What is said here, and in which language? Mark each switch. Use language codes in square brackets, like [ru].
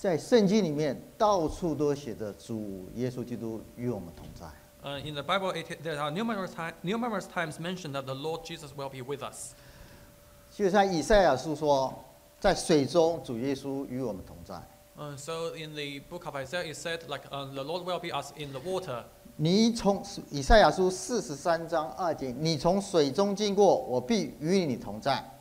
[zh] 在圣经里面，到处都写着主耶稣基督与我们同在。 [en] In the Bible, there are numerous times mentioned that the Lord Jesus will be with us. [zh] 就像以赛亚书说。在水中，主耶稣与我们同在。 [en] So in the book of Isaiah, it said, like, the Lord will be us in the water. [zh] 你从以赛亚书四十三章二节，你从水中经过，我必与你同在。